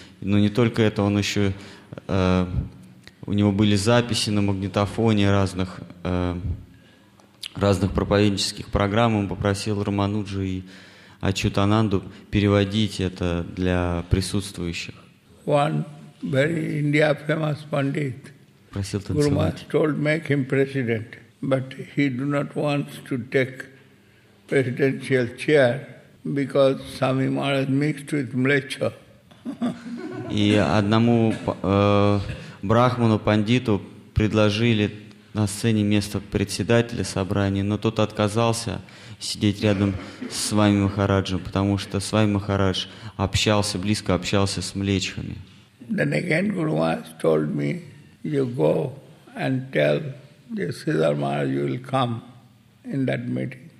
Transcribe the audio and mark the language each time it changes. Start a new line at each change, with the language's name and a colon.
Russian: Но не только это, он еще... у него были записи на магнитофоне разных проповеднических программ. Он попросил Рамануджу и Ачютананду переводить это для присутствующих.
English: One very India famous pandit.
Russian: Просил танцевать.
English: Guru told make him president, but he do not want to take presidential chair. Because Swami Maharaj mixed with mlecha.
Russian: И одному брахману пандиту предложили на сцене место председателя собрания, но тот отказался сидеть рядом с Свами Махараджем, потому что Свами Махарадж общался, близко общался с млечхами.
English: Then again Guru Maharaj told me, you go and tell the Sridhar Maharaj you will come in that meeting.